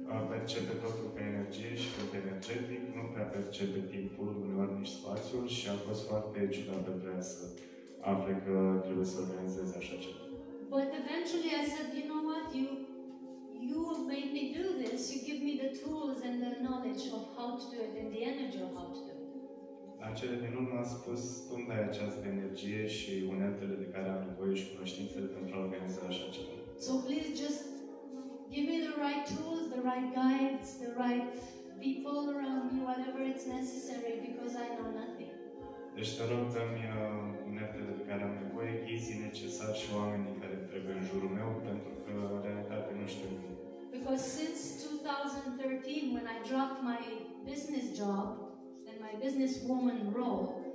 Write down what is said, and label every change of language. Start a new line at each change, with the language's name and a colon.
Romanian: Percepe totul pe energie și pe energetic, nu prea percepe timpul, uneori nici spațiul și a fost foarte ciudat de vrea să afle că trebuie să organizeze așa ceva.
English: But eventually I said, you know what, you have made me do this, you give me the tools and the knowledge of how to do it and the energy of how to do it.
Romanian: În cele din urmă a spus, tu îmi dai această energie și uneltele de care am nevoie și cunoștințele pentru a organiza așa ceva.
English: So please just give me the right tools, the right guides, the right people around me, whatever it's necessary, because I know nothing.
Romanian: Deci te rog, dă-mi uneltele de care am nevoie, ghizii necesari și oamenii care trebuie în jurul meu, pentru că realitate nu știu nimic.
English: Because since 2013, when I dropped my business job and my businesswoman role,